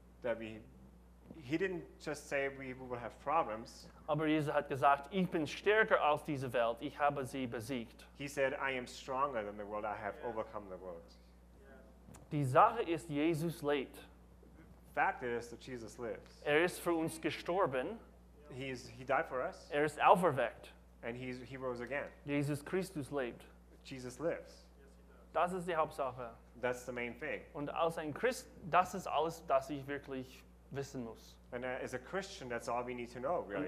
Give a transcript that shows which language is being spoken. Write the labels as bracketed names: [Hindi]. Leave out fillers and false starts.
[English] that we, he didn't just say we will have problems. [German] Aber Jesus hat gesagt, ich bin stärker als diese Welt, ich habe sie besiegt. [English] He said, I am stronger than the world, I have overcome the world. [German] Die Sache ist, Jesus lebt. [English] Fact is that Jesus lives. [German] Er ist für uns gestorben. [English] He died for us. [German] Er ist auferweckt. [English] And he rose again. [German] Jesus Christus lebt. [English] Jesus lives. [German] Das ist die Hauptsache. [English] That's the main thing. [German] Und als ein Christ, das ist alles, das ich wirklich wissen muss. [English] And as a Christian, that's all we need to know, really.